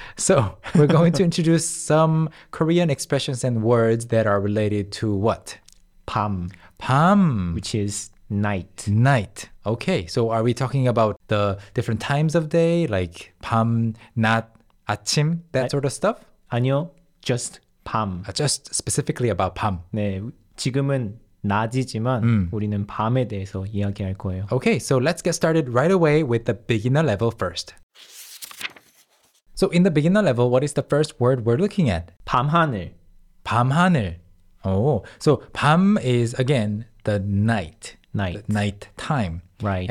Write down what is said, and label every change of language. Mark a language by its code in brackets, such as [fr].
[en] So we're going to introduce some Korean expressions and words that are related to what? [ko] 밤. 밤. [en] Which is night. Night. Okay. So are we talking about the different times of day, like 밤, 낮, 아침, that sort of stuff? [ko] 아니요. [en] Just [ko] 밤. [en] Just specifically about 밤. [ko] 네. 지금은 낮이지만 우리는 밤에 대해서 이야기할 거예요. [en] Okay. So let's get started right away with the beginner level first. So in the beginner level, what is the first word we're looking at? [ko] 밤하늘. [en] 밤하늘. Oh, so 밤 is again the night. Night. The night time. Right.